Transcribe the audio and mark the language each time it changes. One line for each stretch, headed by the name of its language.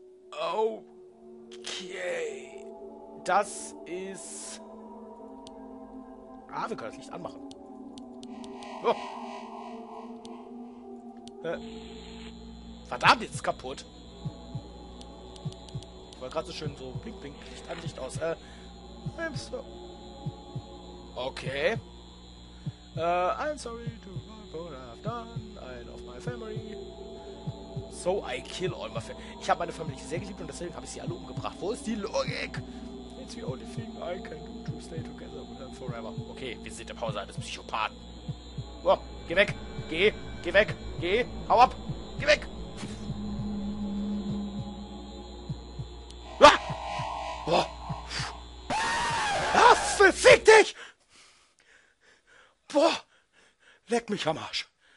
German: Okay. Das ist... Ah, wir können das Licht anmachen. Oh. Verdammt, jetzt ist es kaputt. Ich war gerade so schön so blink, blink, Licht an, Licht aus. Okay.
English: I'm sorry to what I've done. I love my family. So I kill all my family.
German: Ich habe meine Familie sehr geliebt und deswegen habe ich sie alle umgebracht. Wo ist die Logik?
English: It's the only thing I can do to stay together with them forever.
German: Okay, wir sind im Hause eines Psychopathen. Oh, geh weg! Geh weg! Geh! Hau ab! Geh weg! Ah! Oh! Affe, fick dich! Boah! Leck mich am Arsch!